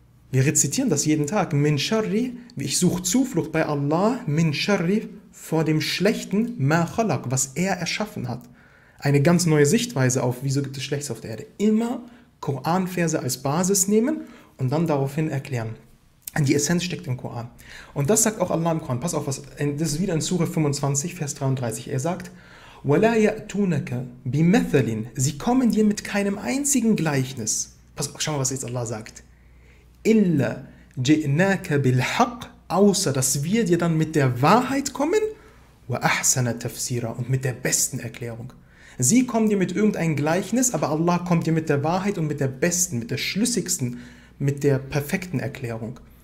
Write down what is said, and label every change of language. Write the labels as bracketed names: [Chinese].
[German] Wir rezitieren das jeden Tag. [Arabic] Min sharri, [German] ich suche Zuflucht bei Allah, [Arabic] min sharri, [German] vor dem Schlechten, [Arabic] ma khalaq, [German] was er erschaffen hat. Eine ganz neue Sichtweise auf, wieso gibt es Schlechtes auf der Erde. Immer Koranverse als Basis nehmen und dann daraufhin erklären. Die Essenz steckt im Koran. Und das sagt auch Allah im Koran. Pass auf, das ist wieder in Sure 25, Vers 33. Er sagt, [Arabic] وَلَا يَأْتُونَكَ بِمَثَلٍ. [German] Sie kommen dir mit keinem einzigen Gleichnis. Pass auf, schau mal, was jetzt Allah sagt. [Arabic] إِلَّا جِئْنَاكَ بِالْحَقِّ. [German] Außer, dass wir dir dann mit der Wahrheit kommen. [Arabic] وَأَحْسَنَ تَفْسِيرًا. [German] Und mit der besten Erklärung. Sie kommen dir mit irgendeinem Gleichnis, aber Allah kommt dir mit der Wahrheit und mit der besten, mit der schlüssigsten, mit der perfekten Erklärung.